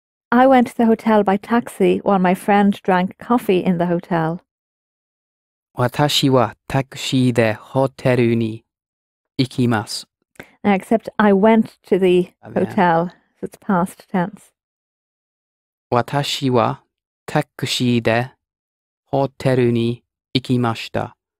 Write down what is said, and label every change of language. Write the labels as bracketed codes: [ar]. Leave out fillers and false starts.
[en] I went to the hotel by taxi while my friend drank coffee in the hotel. [ja] 私はタクシーでホテルに行きます。 [en] Except I went to the hotel, so it's past tense. [ja] 私はタクシーでホテルに行きました。